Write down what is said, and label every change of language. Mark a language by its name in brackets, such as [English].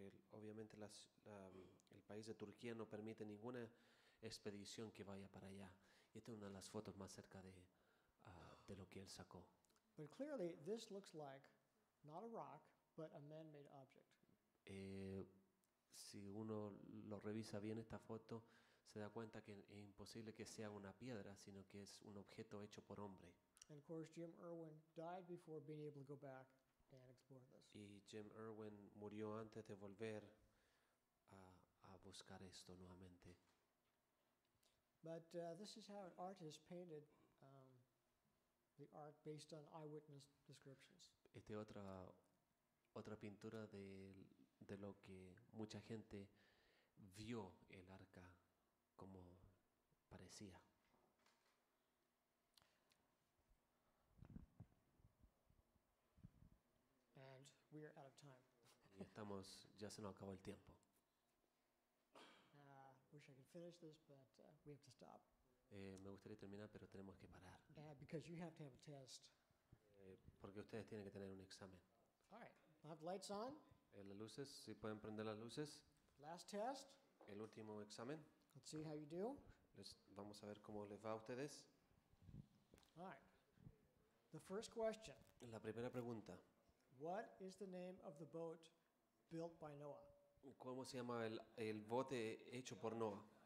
[Spanish] Obviamente el país de Turquía no permite ninguna expedición que vaya para allá. Y esta es una de las fotos más cerca de lo que él sacó. [English] But clearly, this looks like not a rock, but a man-made object. [Spanish] Si uno lo revisa bien esta foto, se da cuenta que es imposible que sea una piedra, sino que es un objeto hecho por hombre. [English] And of course, Jim Irwin died before being able to go back and explore this. [Spanish] Y Jim Irwin murió antes de volver a buscar esto nuevamente. [English] But this is how an artist painted the art based on eyewitness descriptions. [Spanish] Esta es otra pintura de lo que mucha gente vio el arca como parecía. [English] And we are out of time. [Spanish] Y estamos, ya se nos acabó el tiempo. [English] Wish I could finish this, but we have to stop. [Spanish] Me gustaría terminar, pero tenemos que parar. [English] Because you have to have a test. [Spanish] Porque ustedes tienen que tener un examen. [English] All right. I have lights on. [Spanish] Las luces, si pueden prender las luces. [English] Last test. [Spanish] El último examen. [English] Let's see how you do. [Spanish] Vamos a ver cómo les va a ustedes. [English] All right. The first question. [Spanish] La primera pregunta. [English] What is the name of the boat built by Noah? [Spanish] ¿Cómo se llama el bote hecho por Noah?